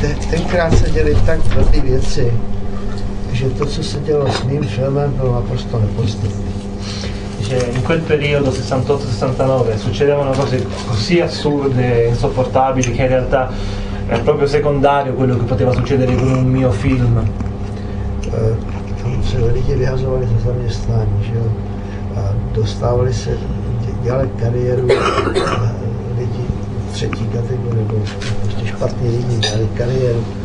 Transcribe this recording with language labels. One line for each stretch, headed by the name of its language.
Czech: Tenkrát se děli tak velké věci, že to, co se dělo s mým filmem, bylo naprosto nepodstatné. Že
Italian: in quel periodo 68-69 succedevano cose così assurde, insopportabili, che in realtà è proprio secondario quello che poteva succedere con un mio film.
Czech: Tam se lidi vyhazovali ze zaměstnání, že jo? A dostávali se, dělali kariéru lidi třetí kategorie, nebo prostě špatní lidi dělali kariéru.